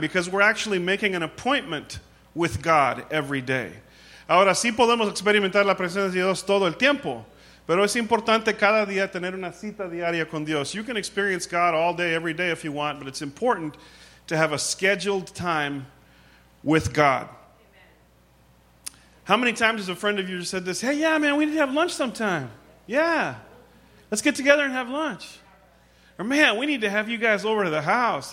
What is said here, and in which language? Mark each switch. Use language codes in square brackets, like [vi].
[en] Because we're actually making an appointment with God every day. [es] Ahora sí podemos experimentar la presencia de Dios todo el tiempo, pero es importante cada día tener una cita diaria con Dios. [en] You can experience God all day, every day if you want, but it's important to have a scheduled time with God. Amen. How many times has a friend of yours said this? Hey, yeah, man, we need to have lunch sometime. Yeah. Let's get together and have lunch. Or, man, we need to have you guys over to the house.